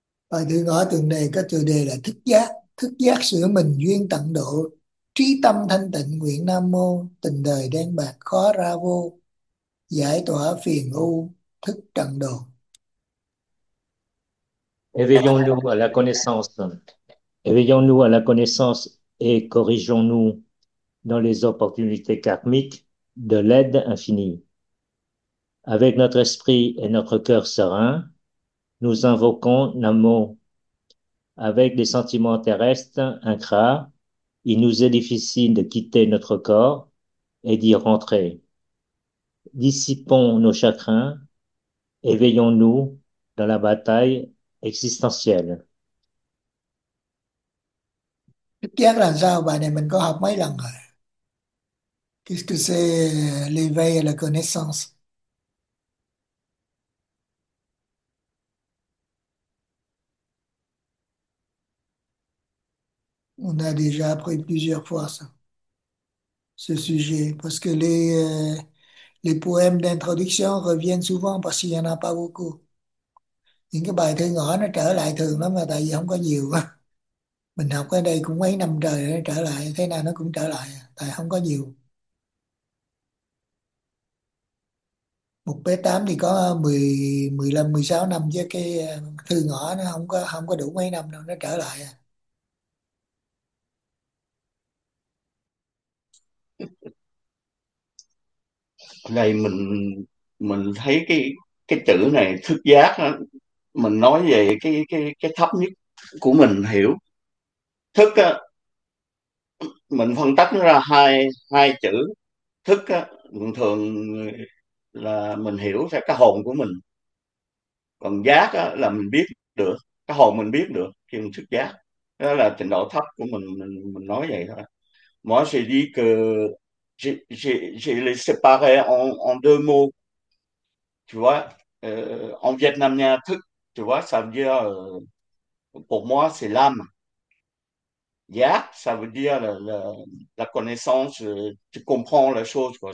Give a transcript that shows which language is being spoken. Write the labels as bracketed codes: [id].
[vi] Bài thư ngỏ tuần này có chủ đề là thức giác. Thức giác sửa mình duyên tận độ, trí tâm thanh tịnh nguyện Nam Mô, tình đời đen bạc khó ra vô, giải tỏa phiền ưu thức tận độ. [fr] Éveillons-nous à la connaissance. Éveillons-nous à la connaissance et corrigeons-nous dans les opportunités karmiques de l'aide infinie. Avec notre esprit et notre cœur serein, nous invoquons Namo. Avec des sentiments terrestres, incras, il nous est difficile de quitter notre corps et d'y rentrer. Dissipons nos chagrins, éveillons-nous dans la bataille existentielle. [vi] Thích giác là sao? Bài này mình có học mấy lần rồi? [fr] Qu'est-ce que c'est l'éveil et la connaissance? On a déjà appris plusieurs fois ça, ce sujet, parce que les poèmes d'introduction reviennent souvent parce qu'il n'y en a pas beaucoup. [vi] Những cái bài thơ ngỏ nó trở lại thường lắm, là tại vì không có nhiều quá. Mình học ở đây cũng mấy năm trời nó trở lại, thế nào nó cũng trở lại, tại không có nhiều. Một bé tám thì có 10, 15, 16 năm, chứ cái thư ngõ nó không có đủ mấy năm đâu, nó trở lại. Đây mình thấy cái chữ này thức giác đó, mình nói về cái thấp nhất của mình hiểu thức á, mình phân tách ra hai hai chữ thức á, thường là mình hiểu theo cái hồn của mình, còn giác á, là mình biết được cái hồn, mình biết được khi mình thức giác, đó là trình độ thấp của mình nói vậy thôi. [fr] Moi, j'ai dit que j'ai les séparés en deux mots. Tu vois, en vietnamien, thức, tu vois, ça veut dire, pour moi, c'est l'âme. Giác, ça veut dire la connaissance, tu comprends la chose, quoi.